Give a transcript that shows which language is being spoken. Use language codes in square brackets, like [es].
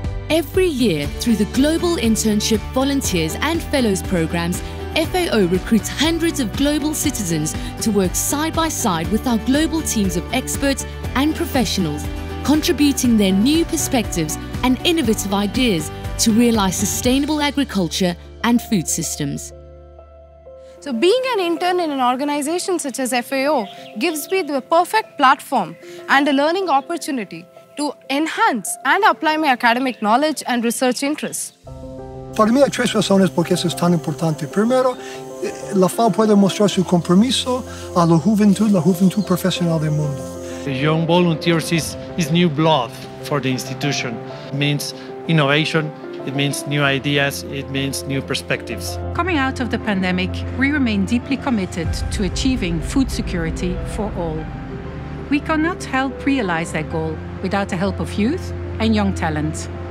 [en] Every year, through the Global Internship, Volunteers and Fellows programs, FAO recruits hundreds of global citizens to work side by side with our global teams of experts and professionals, contributing their new perspectives and innovative ideas to realize sustainable agriculture and food systems. So being an intern in an organization such as FAO gives me the perfect platform and a learning opportunity to enhance and apply my academic knowledge and research interests. [es] Para mí, tres razones por qué eso es tan importante. Primero, la FAO puede mostrar su compromiso a la juventud profesional del mundo. [en] The young volunteers is new blood for the institution. It means innovation, it means new ideas, it means new perspectives. Coming out of the pandemic, we remain deeply committed to achieving food security for all. We cannot help realize that goal without the help of youth and young talent.